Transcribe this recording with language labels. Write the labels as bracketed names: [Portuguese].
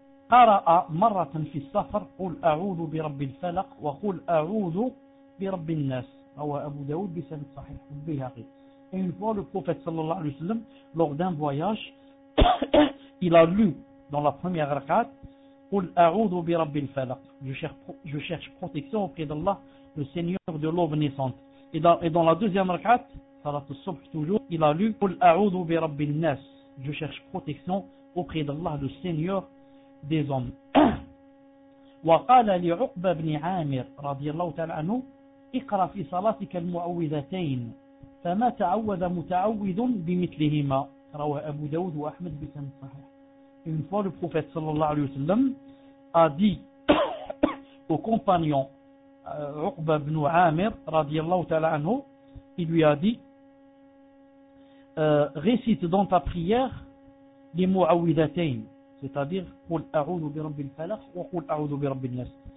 [Arabic] قرأ مرة في السفر قل أعوذ برب الفلق وقل أعوذ برب الناس أو أبو داود بسند صحيح البيهقي. [French] Une fois le prophète [Arabic] sallallahu alayhi wa sallam [French] lors d'un voyage il a lu dans la première rak'at [Arabic] قل أعوذ برب الفلق, [French] je cherche protection auprès d'Allah le Seigneur de l'aube naissante. Et dans la deuxième rak'at salat al-subh toujours il a lu [Arabic] قل أعوذ برب الناس, [French] je cherche protection auprès d'Allah le Seigneur des hommes. [Arabic] وقال لعقبة بن عامر رضي الله تعالى عنه اقرأ في صلاتك المعوذتين فما تعوذ متعوذ بمثلهما رواه أبو داود وأحمد بسند صحيح. [French] Une fois le prophète [Arabic] صلى الله عليه وسلم [French] a dit au compagnon عقبة بن عامر [Arabic] رضي الله تعالى عنه, [French] il lui a dit récite dans ta prière les معوذتين, c'est-à-dire [Arabic] qul a'udhu bi rabbil falaq wa qul a'udhu bi rabbin nas.